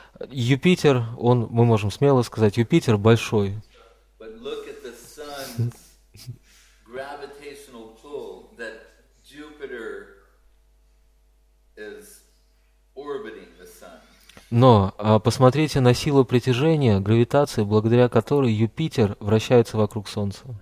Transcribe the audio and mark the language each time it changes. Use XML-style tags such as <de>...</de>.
<ru>Юпитер, он, мы можем смело сказать, Юпитер большой.</ru> <en>But look at the sun's gravitational pull that Jupiter is orbiting the sun.</en> <ru>Но посмотрите на силу притяжения, гравитации, благодаря которой Юпитер вращается вокруг Солнца.</ru>